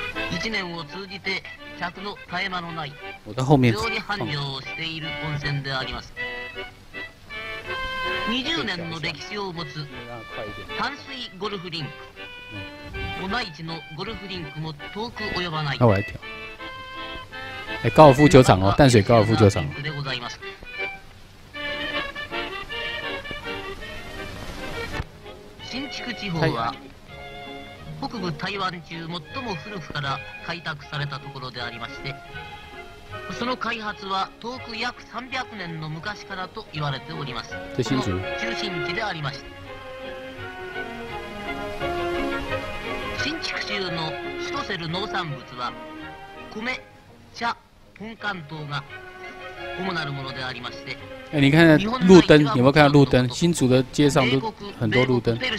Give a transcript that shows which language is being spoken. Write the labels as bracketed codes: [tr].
[ja] 一年を通じて客の絶え間のない非常に繁盛をしている温泉であります。 20年の歴史を持つ淡水ゴルフリンク、御内地のゴルフリンクも遠く及ばない。 [zh] 高尔夫球场哦，淡水高尔夫球场。 [ja] 新竹地方は北部台湾中最も古くから開拓されたところでありまして、その開発は遠く約300年の昔からと言われております。その中心地でありました。新竹州の主とせる農産物は米、茶、本館島が主なるものでありまして、 [zh] 你看路灯，有没有看到路灯？新竹的街上都很多路灯。